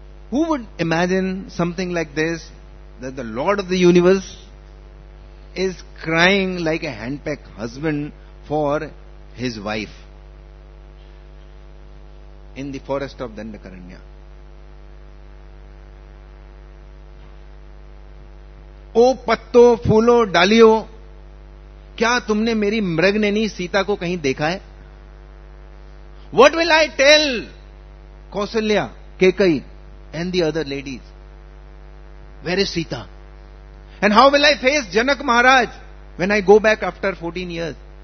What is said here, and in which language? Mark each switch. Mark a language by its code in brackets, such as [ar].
[en] Who would imagine something like this, that the Lord of the universe is crying like a handpicked husband for his wife in the forest of Dandakaranya? [hi] ओ पत्तो फूलो डालियो, क्या तुमने मेरी मृगनेनी सीता को कहीं देखा है? [en] What will I tell Kausalya, Kekai and the other ladies? Where is Sita? And how will I face Janak Maharaj when I go back after 14 years?